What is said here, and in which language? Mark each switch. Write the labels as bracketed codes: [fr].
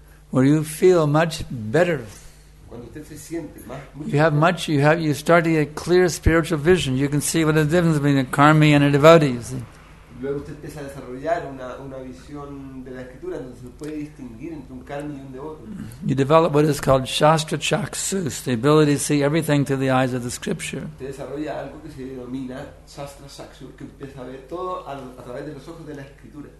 [en] Where you feel much better. You start to get a clear spiritual vision. You can see what the difference between a karmi and a devotee, you see. [es] Luego usted empieza a desarrollar una visión de la escritura donde se puede distinguir entre un karma y un devoto. [en] You develop what is called shastra chakshus, the ability to see everything through the eyes of the scripture. [es] Usted desarrolla algo que se denomina shastra chakshus, que empieza a ver todo a través de los ojos de la escritura.